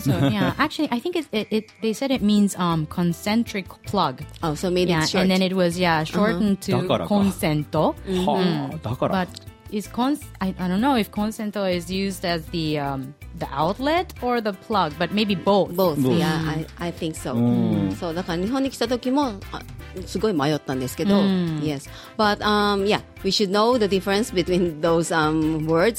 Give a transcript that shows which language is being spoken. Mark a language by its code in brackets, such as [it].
[en] So yeah, actually, I think it they said it means concentric plug. Oh, so made it short. And then it was shortened to consento. But is I don't know if consento is used as the outlet or the plug, but maybe both. Both. Yeah, I think so. So [ja] だから日本に来た時もすごい迷ったんですけど、 [en] yes. But we should know the difference between those words.